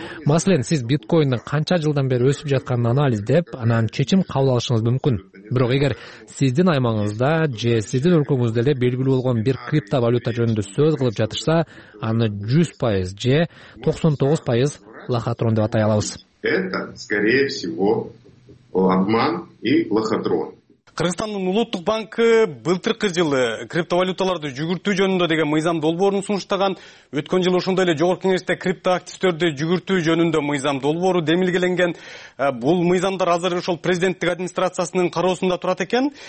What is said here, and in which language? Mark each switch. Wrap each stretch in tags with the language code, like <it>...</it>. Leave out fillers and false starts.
<ky>Маселен, сиз биткоиндин канча жылдан бери өсүп жатканын анализдеп, анан чечим кабыл алышыңыз мүмкүн. Бирок эгер сиздин аймагыңызда же сиздин өлкөңүздө эле белгилүү болгон бир криптовалюта жөнүндө сөз кылып жатышса, аны 100% же 99% лохотрон деп атай алабыз.</ky> <ru>Это, скорее всего, обман и лохотрон.</ru> <ky>Кыргызстандын улуттук банкы былтыркы жылы криптовалюталарды жүгүртүү жөнүндө деген мыйзам долбоорун сунуштаган. Өткөн жылы ошондой эле жогорку кеңеште криптоактивдерди жүгүртүү жөнүндө мыйзам долбоору демилгеленген. Бул мыйзамдар азыр ошол президенттик администрациясынын кароосунда турат экен.</ky>